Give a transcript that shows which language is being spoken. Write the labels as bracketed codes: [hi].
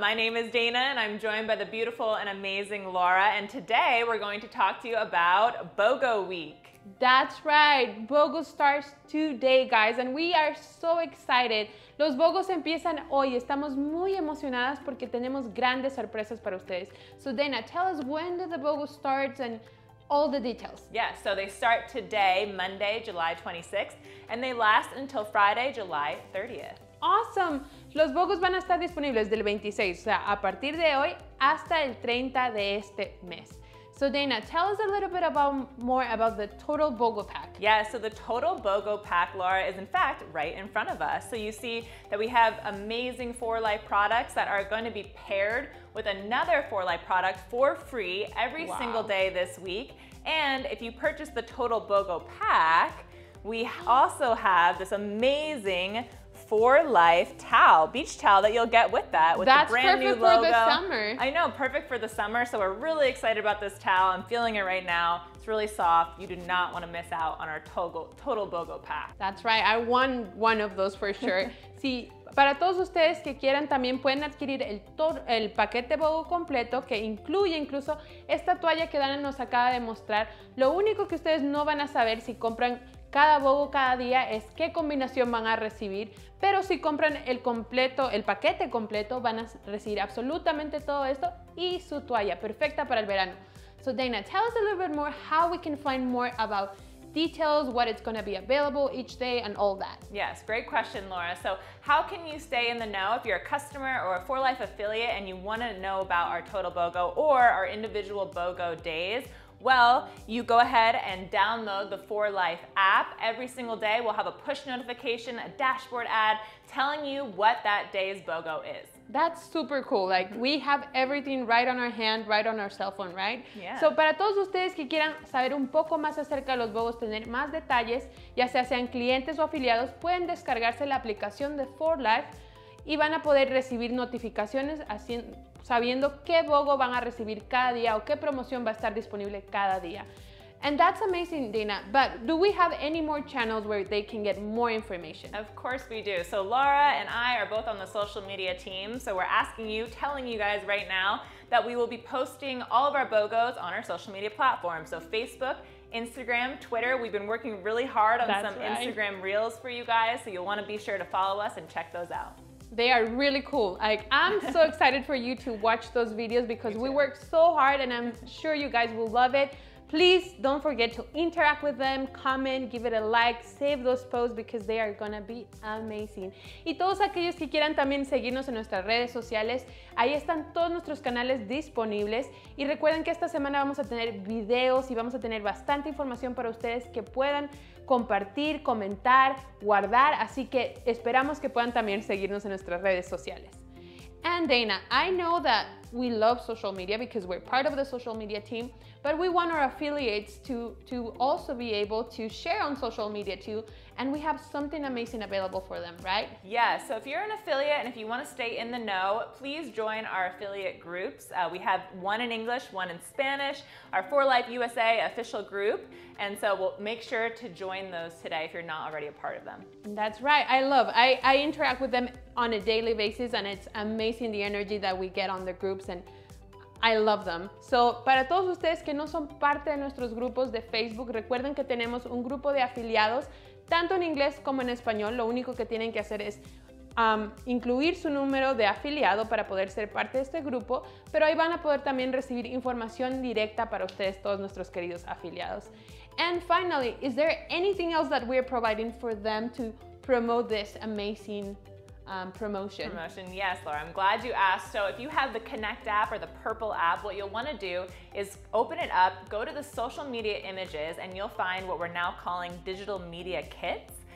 [en] My name is Dana, and I'm joined by the beautiful and amazing Laura. And today, we're going to talk to you about BOGO Week. That's right. BOGO starts today, guys, and we are so excited. [es] Los BOGOs empiezan hoy. Estamos muy emocionadas porque tenemos grandes sorpresas para ustedes. [en] So, Dana, tell us when do the BOGO starts and all the details. Yeah, so they start today, Monday, July 26th, and they last until Friday, July 30th. Awesome. [es] Los BOGOs van a estar disponibles del 26, o sea, a partir de hoy hasta el 30 de este mes. [en] So Dana, tell us a little bit more about the total BOGO pack. Yeah, so the total BOGO pack, Laura, is in fact right in front of us. So you see that we have amazing 4Life products that are going to be paired with another 4Life product for free every single day this week. And if you purchase the total BOGO pack, we also have this amazing 4Life towel, beach towel that you'll get with that, with That's the brand new logo. That's perfect for the summer. I know, perfect for the summer. So we're really excited about this towel. I'm feeling it right now. It's really soft. You do not want to miss out on our total BOGO pack. That's right. I want one of those for sure. [es] Sí, para todos ustedes que quieran, también pueden adquirir el paquete BOGO completo, que incluye incluso esta toalla que Dana nos acaba de mostrar. Lo único que ustedes no van a saber si compran cada BOGO cada día es qué combinación van a recibir, pero si compran el completo, el paquete completo, van a recibir absolutamente todo esto y su toalla, perfecta para el verano. [en] So Dana, tell us a little bit more how we can find more about details, what it's going to be available each day and all that. Yes, great question, Laura. So how can you stay in the know if you're a customer or a 4Life affiliate and you want to know about our total BOGO or our individual BOGO days? Well, you go ahead and download the 4Life app. Every single day, we'll have a push notification, a dashboard ad, telling you what that day's BOGO is. That's super cool. Like, we have everything right on our hand, right on our cell phone, right? Yeah. [es] So, para todos ustedes que quieran saber un poco más acerca de los BOGOs, tener más detalles, ya sea sean clientes o afiliados, pueden descargarse la aplicación de 4Life y van a poder recibir notificaciones haciendo sabiendo qué BOGO van a recibir cada día o qué promoción va a estar disponible cada día. [en] And that's amazing, Dana, but do we have any more channels where they can get more information? Of course we do. So Laura and I are both on the social media team, so we're asking you, telling you guys right now, that we will be posting all of our BOGOs on our social media platforms. So Facebook, Instagram, Twitter. We've been working really hard on Instagram reels for you guys, so you'll want to be sure to follow us and check those out. They are really cool. Like, I'm so excited for you to watch those videos because we work so hard and I'm sure you guys will love it. Please don't forget to interact with them, comment, give it a like, save those posts because they are gonna be amazing. [es] Y todos aquellos que quieran también seguirnos en nuestras redes sociales, ahí están todos nuestros canales disponibles. Y recuerden que esta semana vamos a tener videos y vamos a tener bastante información para ustedes que puedan compartir, comentar, guardar. Así que esperamos que puedan también seguirnos en nuestras redes sociales. [en] And Dana, I know that we love social media because we're part of the social media team, but we want our affiliates to also be able to share on social media too, and we have something amazing available for them, right? Yeah, so if you're an affiliate and if you want to stay in the know, please join our affiliate groups. We have one in English, one in Spanish, our 4Life USA official group, and so we'll make sure to join those today if you're not already a part of them. That's right, I interact with them on a daily basis and it's amazing the energy that we get on the group. Groups and I love them. [es] So, para todos ustedes que no son parte de nuestros grupos de Facebook, recuerden que tenemos un grupo de afiliados, tanto en inglés como en español. Lo único que tienen que hacer es incluir su número de afiliado para poder ser parte de este grupo, pero ahí van a poder también recibir información directa para ustedes, todos nuestros queridos afiliados. [en] And finally, is there anything else that we are providing for them to promote this amazing promotion. Yes, Laura, I'm glad you asked. So if you have the Connect app or the Purple app, what you'll want to do is open it up, go to the social media images, and you'll find what we're now calling digital media kits.